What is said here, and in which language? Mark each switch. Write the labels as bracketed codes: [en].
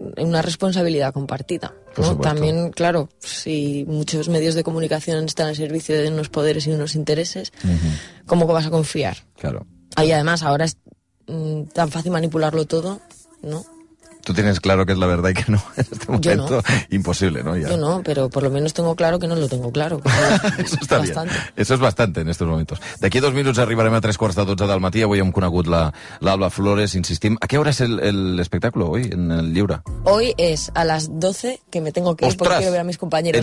[es] una responsabilidad compartida, ¿no? También, claro, si muchos medios de comunicación están al servicio de unos poderes y unos intereses, ¿cómo vas a confiar? Claro. Y además, ahora es tan fácil manipularlo todo, ¿no? Tú tienes claro que es la verdad y que no, en este momento, yo no. Imposible, ¿no? Ya. Yo no, pero por lo menos tengo claro que no lo tengo claro. Eso está bastante. Bien, eso es bastante en estos momentos. [ca] D'aquí a 2 minuts arribarem a 11:45 del matí, avui hem conegut l'Alba Flores, insistim. [es] ¿A qué hora es el espectáculo hoy en el Lliure? Hoy es a las 12, que me tengo que ir. ¡Ostras! Porque quiero ver a mis compañeros.